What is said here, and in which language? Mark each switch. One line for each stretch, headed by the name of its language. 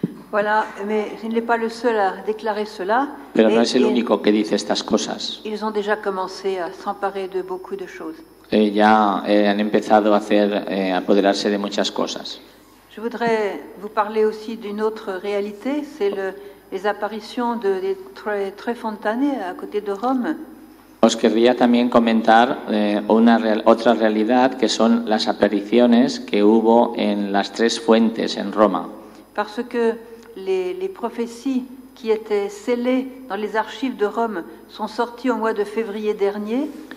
French: Voilà, mais il n'est pas le seul à déclarer cela.
Spanish: Pero no es el único que dice estas cosas.
French: Ils ont déjà commencé à s'emparer de beaucoup de choses.
Spanish: Han empezado a hacer apoderarse de muchas cosas.
French: Je voudrais vous parler aussi d'une autre réalité, c'est les apparitions des très fontanées à côté de Rome.
Spanish: Os querría también comentar otra realidad que son las apariciones que hubo en las tres fuentes en Roma.
French: Parce que les prophéties qui étaient scellées dans les archives de Rome sont sorties au mois de février dernier.